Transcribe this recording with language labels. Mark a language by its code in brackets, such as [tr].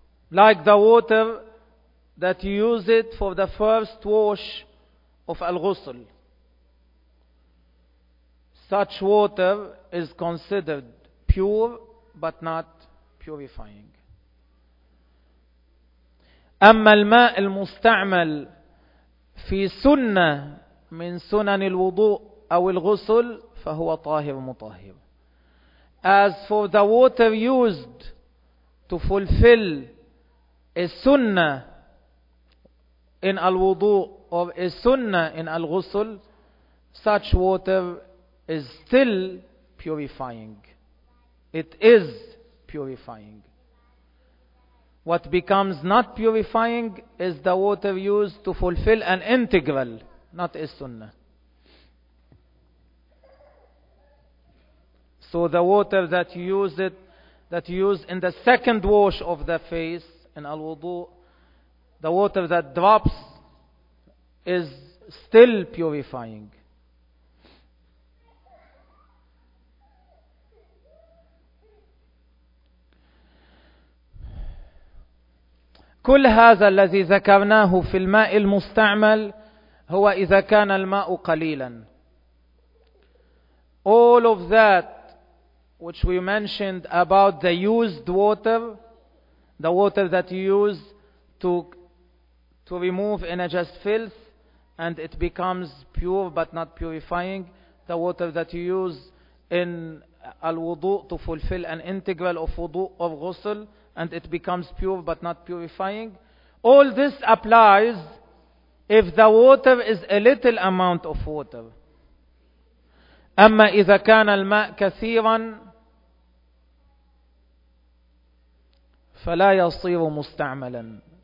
[en] like the water that you use it for the first wash of al-ghusl. Such water is considered pure but not purifying. [ar] أما الماء المستعمل في سنة من سنن الوضوء أو الغسل فهو طاهر مطهر. [en] As for the water used to fulfill a sunnah in al-wudu or a sunnah in al-ghusl, such water is still purifying. It is purifying. What becomes not purifying is the water used to fulfill an integral, not a sunnah. So the water that you use it, that you use in the second wash of the face in al-wudu, the water that drops is still purifying. [ar] كل هذا الذي ذكرناه في الماء المستعمل هو إذا كان الماء قليلا. [en] All of that which we mentioned about the used water, the water that you use to remove a najas filth and it becomes pure but not purifying, the water that you use in al-wudu to fulfill an integral of wudu or ghusl and it becomes pure but not purifying, all this applies if the water is a little amount of water. [ar] أما إذا كان الماء كثيرا فلا يصير مستعملا.